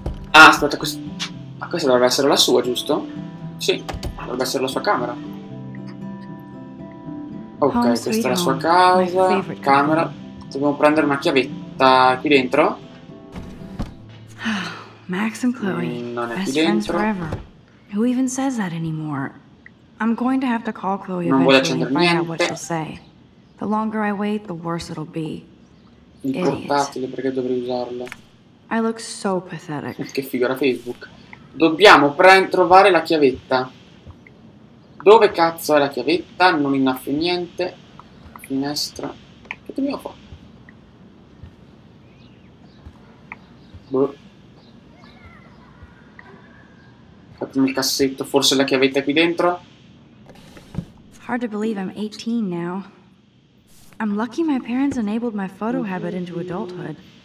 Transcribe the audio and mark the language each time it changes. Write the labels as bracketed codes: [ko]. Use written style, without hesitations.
[it] Ah, aspetta, questa dovrebbe essere la sua, giusto? Sì, dovrebbe essere la sua camera. Ok, questa è la sua casa, camera. Dobbiamo prendere una chiavetta qui dentro. [en] Max and Chloe. [it] Non è qui dentro. [en] Who even says that anymore? I'm going to have to call Chloe. [it] Non vuole accendere niente. [en] The longer I wait, the worse it'll be. [it] Il portatile, perché dovrei usarlo? [en] I look so pathetic. [it] Che figura Facebook. Dobbiamo trovare la chiavetta. Dove cazzo è la chiavetta? Non innaffio niente. Finestra. Che dobbiamo fare? Boh. Apriamo il cassetto. Forse la chiavetta è qui dentro. [en] Hard to believe I'm 18 now. I'm lucky my parents enabled my photo habit into adulthood.